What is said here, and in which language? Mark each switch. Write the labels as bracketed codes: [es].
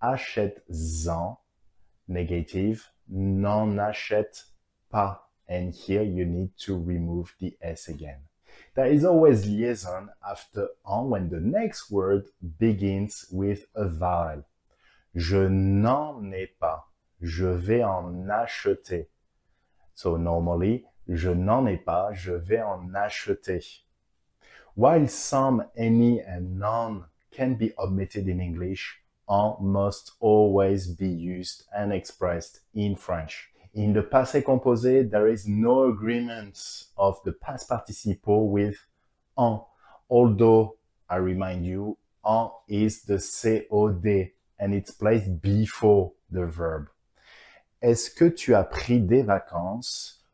[fr] Achète-en, négative, n'en achète pas. [en] And here you need to remove the S again. There is always liaison after en when the next word begins with a vowel. [fr] Je n'en ai pas, je vais en acheter. [en] So normally, [fr] je n'en ai pas, je vais en acheter. [en] While some, any, and none can be omitted in English, en must always be used and expressed in French. In the passé composé, there is no agreement of the past participle with en. although I remind you, on is the COD and it's placed before the verb. [fr] Est-ce que tu as pris des vacances?